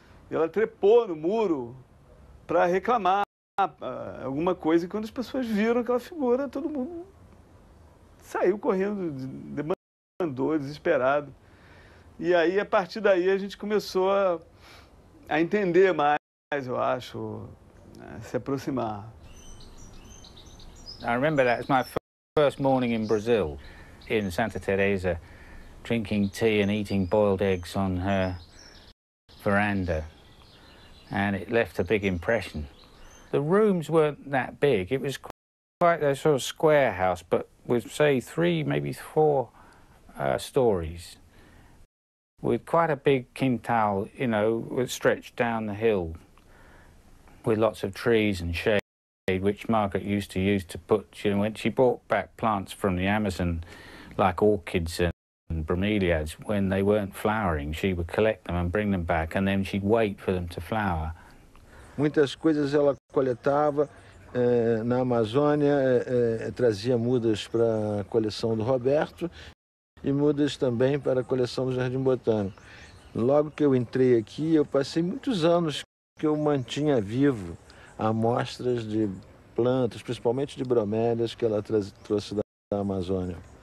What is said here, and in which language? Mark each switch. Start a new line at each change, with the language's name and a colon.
Portuguese: E ela trepou no muro para reclamar alguma coisa. E quando as pessoas viram aquela figura, todo mundo saiu correndo, demandou, desesperado. E aí, a partir daí, a gente começou a entender mais, eu acho, a se aproximar.
English: I remember that was my first morning in Brazil, in Santa Teresa, drinking tea and eating boiled eggs on her veranda, and it left a big impression. The rooms weren't that big. It was quite a sort of square house, but with, say, three, maybe four stories, with quite a big quintal, you know, which stretched down the hill with lots of trees and shade, which Margaret used to use to put, you know, when she brought back plants from the Amazon, like orchids and bromeliads, when they weren't flowering, she would collect them and bring them back, and then she'd wait for them to flower.
Portuguese: Muitas coisas ela coletava na Amazônia, trazia mudas para a coleção do Roberto e mudas também para a coleção do Jardim Botânico. Logo que eu entrei aqui, eu passei muitos anos que eu mantinha vivo amostras de plantas, principalmente de bromélias, que ela trouxe da Amazônia.